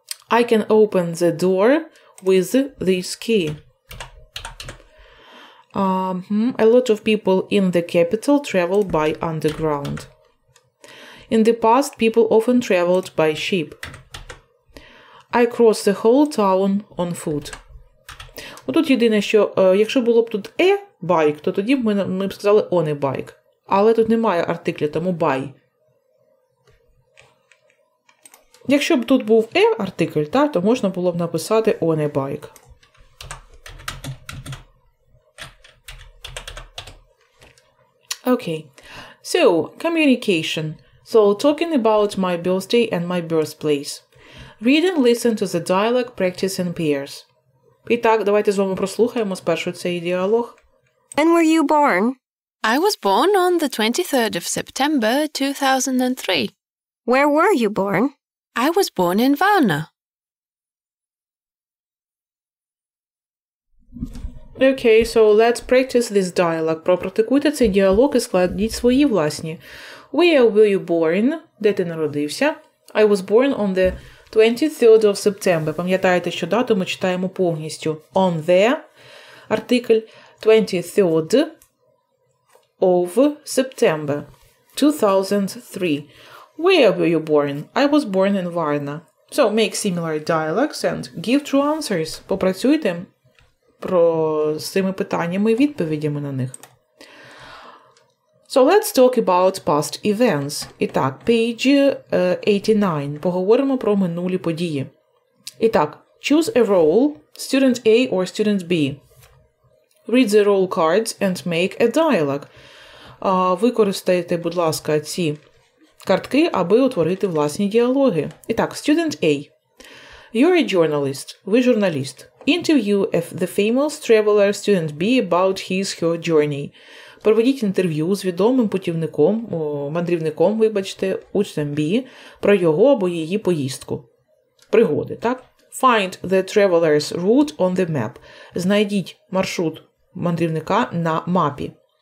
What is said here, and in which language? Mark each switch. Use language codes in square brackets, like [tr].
[en] I can open the door with this key. A lot of people in the capital travel by underground. In the past, people often traveled by ship. I crossed the whole town on foot. [uk] Отут єдине, що якщо було б тут «е» – «байк», то тоді ми б сказали «он» – «байк». Але тут немає артикля, тому «бай». Якщо б тут був «е» – артикль, так, то можна було б написати «он» – «байк». [en] Окей. So, communication. So, talking about my birthday and my birthplace. Read and listen to the dialogue, practice in pairs. [uk] І так, давайте з вами прослухаємо спершу цей діалог. [en] When were you born? I was born on the 23rd of September 2003. Where were you born? I was born in Varna. Okay, so let's practice this dialogue. [uk] Пропрактикуйте цей діалог і складіть свої власні. [en] Where were you born? [uk] Де ти народився? [en] I was born on the 23rd of September. [uk] Пам'ятаєте, що дату ми читаємо повністю. [en] On the, [uk] артикль, [en] 23rd of September, 2003. Where were you born? I was born in Varna. So, make similar dialogues and give true answers. [uk] Попрацюйте про з цими питаннями і відповідями на них. [en] So let's talk about past events. [uk] І так, [en] page 89. [uk] Поговоримо про минулі події. І так, [en] choose a role, student A or student B. Read the role cards and make a dialogue. [uk] Використайте, будь ласка, ці картки, аби утворити власні діалоги. І так, [en] student A. You're a journalist. [uk] Ви журналіст. [en] Interview the famous traveler student B about his/her journey. [uk] Проведіть інтерв'ю з відомим путівником, мандрівником, вибачте, учнем B, про його або її поїздку. Пригоди, так? [en] Find the traveler's route on the map. [uk] Знайдіть маршрут мандрівника на мапі.